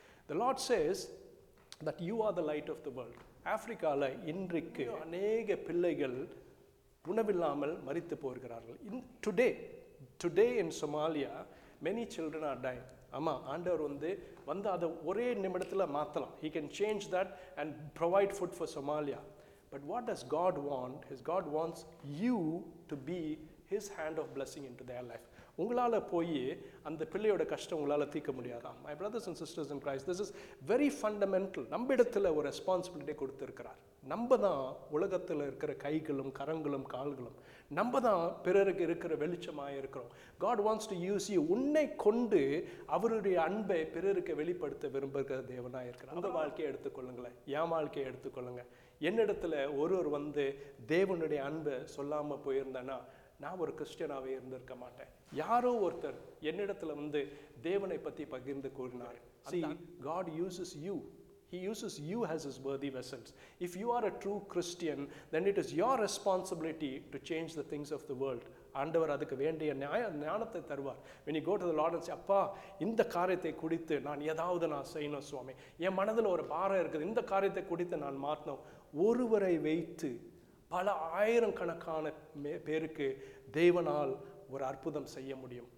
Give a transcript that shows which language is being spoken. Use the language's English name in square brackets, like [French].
[English] The Lord says that you are the light of the world. [Tamil] ஆப்பிரிக்காவில் இன்றைக்கு அநேக பிள்ளைகள் உணவில்லாமல் மறித்து போகிறார்கள். [English] Today in Somalia many children are dying. [Tamil] ஆமாம், ஆண்டவர் வந்து வந்து அதை ஒரே நிமிடத்தில் மாற்றலாம். [English] He can change that and provide food for Somalia. But what does God want? His God wants you to be His hand of blessing into their life. [Tamil] உங்களால் போய் அந்த பிள்ளையோட கஷ்டம் உங்களால் தீர்க்க முடியாதா? [English] My brothers and sisters in Christ, this is very fundamental. [Tamil] நம்ம இடத்துல ஒரு ரெஸ்பான்சிபிலிட்டி கொடுத்துருக்கிறார். நம்ம தான் உலகத்தில் இருக்கிற கைகளும் கரங்களும் கால்களும். நம்ம தான் பிறருக்கு இருக்கிற வெளிச்சமாக இருக்கிறோம். [English] God wants to use you. [Tamil] உன்னை கொண்டு அவருடைய அன்பை பிறருக்கு வெளிப்படுத்த விரும்புகிற தேவனாக இருக்கிறார். உங்கள் வாழ்க்கையை எடுத்துக்கொள்ளுங்களேன், என் வாழ்க்கையை எடுத்துக்கொள்ளுங்க. என்னிடத்துல ஒருவர் வந்து தேவனுடைய அன்பை சொல்லாமல் போயிருந்தேன்னா நான் ஒரு கிறிஸ்டியனாகவே இருந்திருக்க மாட்டேன். யாரோ ஒருத்தர் என்னிடத்துல வந்து தேவனை பற்றி பகிர்ந்து கூறினார். [English] See, God uses you. He uses you as His worthy vessels. If you are a true Christian, then it is your responsibility to change the things of the world. [Tamil] ஆண்டவர் அதுக்கு வேண்டிய ஞானத்தை தருவார். [English] When you go to the Lord and say, [Tamil] அப்பா இந்த காரியத்தை குடித்து நான் ஏதாவது நான் செய்யணும் சுவாமி, என் மனதில் ஒரு பாரம் இருக்குது, இந்த காரியத்தை குடித்து நான் மாற்றணும். ஒருவரை வைத்து பல ஆயிரக்கணக்கான பேருக்கு தேவனால் ஒரு அற்புதம் செய்ய முடியும்.